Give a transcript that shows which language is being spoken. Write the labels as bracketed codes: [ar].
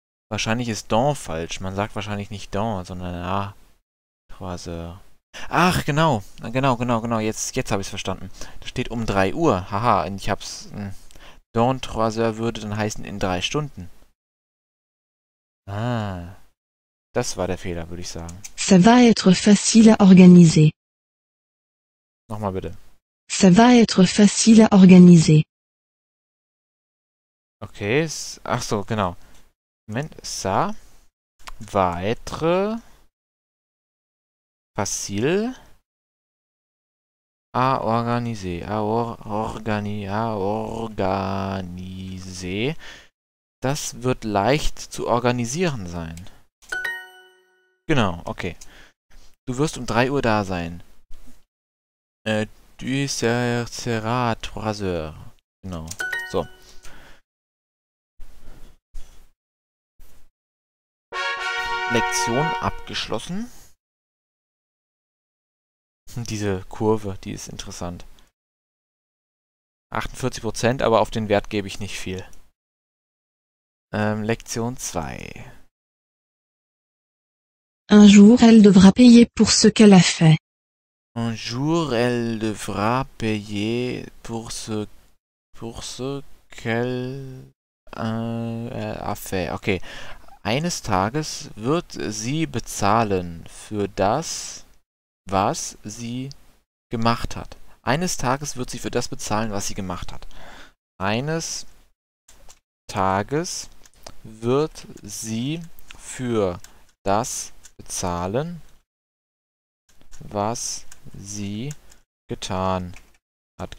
[de] Wahrscheinlich ist dans falsch. Man sagt wahrscheinlich nicht dans, sondern la. 3 heures. Ach, genau. Jetzt habe ich es verstanden. Da steht um 3 Uhr. Haha, und ich hab's. [fr] Dans 3 heures [de] würde dann heißen in 3 Stunden. Ah, das war der Fehler, würde ich sagen. [fr] Ça va être facile à organiser. [de] Nochmal bitte. [fr] Ça va être facile à organiser. [de] Okay, ach so, genau. [fr] Moment, ça va être facile à organiser. [de] Das wird leicht zu organisieren sein. Genau, okay. Du wirst um 3 Uhr da sein. [fr] Tu seras 3 heures. [de] Genau, so. Lektion abgeschlossen. Diese Kurve, die ist interessant. 48%, aber auf den Wert gebe ich nicht viel. Lektion 2. [fr] Un jour, elle devra payer pour ce qu'elle a fait. Un jour, elle devra payer pour ce qu'elle a fait. Okay. [de] Eines Tages wird sie bezahlen für das, was sie gemacht hat. Eines Tages wird sie für das bezahlen, was sie gemacht hat. Eines Tages wird sie für das bezahlen, was sie getan hat.